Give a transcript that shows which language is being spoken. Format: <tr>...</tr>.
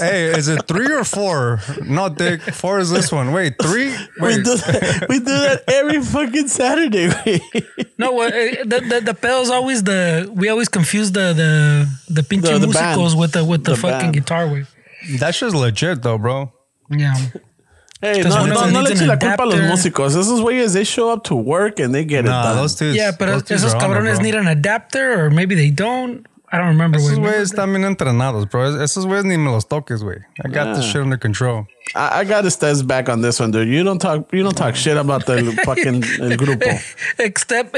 <en>Hey, is it 3 or 4? No, Dick. 4 is this one. Wait, 3? Wait. We do that every fucking Saturday. No, the pedal's always the... We always confuse the pinche the musicals band. with the fucking band. Guitar wave. That's just legit, though, bro. Yeah.</en> <es>Hey, no le eche la culpa a los músicos. Esos güeyes,</es> <en>they show up to work and they get it done. Those dudes, yeah, but</en> <es>esos cabrones</es> <en>need an adapter, or maybe they don't. I don't remember.</en> <es>Esos güeyes están bien entrenados, bro. Esos güeyes ni me los toques, güey.</es> <en>I got this shit under control. I got to stand back on this one, dude. You don't talk shit about the fucking</en> <es>el grupo.</es>